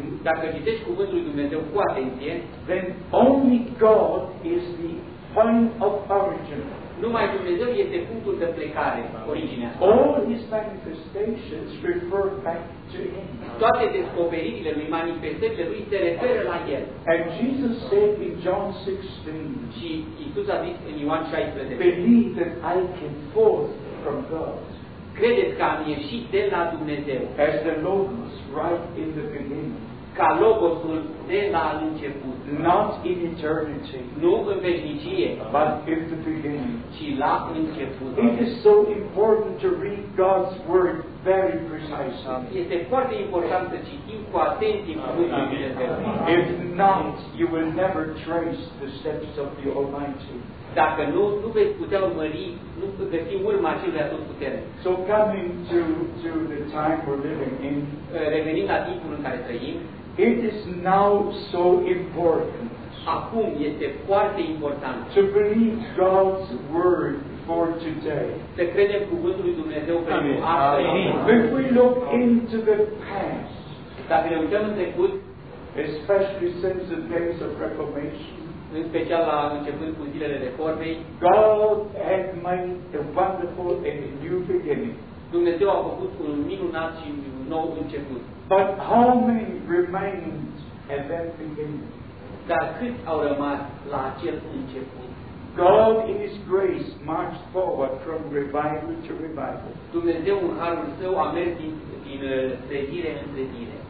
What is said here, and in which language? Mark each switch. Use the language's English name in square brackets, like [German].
[Romanian] Dacă citești cuvântul lui Dumnezeu cu atenție, [English] then only God is the point of origin. [Romanian] Numai Dumnezeu este punctul de plecare, originea. [English] All his manifestations refer back to him. [Romanian] Toate descoperirile lui, manifestările lui, se referă la el. [English] And Jesus said in John 16, [Romanian] și Iisus a zis în Ioan 16, [English] believe that I came forth from God. [Romanian] Credeți că am ieșit de la Dumnezeu. [English] As the Logos, right in the beginning. [Romanian] Ca Logosul de la început. [English] Not in eternity. [Romanian] Nu în veșnicie. [English] But in the beginning. [Romanian] Ci la început. [English] It is so important to read God's word very precisely. [Romanian] Este foarte important să citim cu atenție cuvântul lui Dumnezeu. [English] If not, you will never trace the steps of the Almighty. [Romanian] Dacă nu, nu vei putea urmări, nu vei găsi urma celui atotputernic. [English] So coming to the time we're living in, [Romanian] revenind la timpul în care trăim, [English] it is now so important. [Romanian] Acum este foarte important. [English] To believe God's word for today. [Romanian] Să credem cuvântul lui Dumnezeu pentru [English] astăzi. If we look into the past, [Romanian] dacă ne uităm în trecut, [English] especially since the days of Reformation, [Romanian] în special la începând cu zilele reformei, [English] God had made a wonderful and a new beginning. [Romanian] Dumnezeu a făcut un minunat și un nou început. [English] But how many remained at that beginning? [Romanian] Dar cât au rămas la acel început? [English] God in his grace marched forward from revival to revival. [Romanian] Dumnezeu în harul său a mers din trezire în trezire.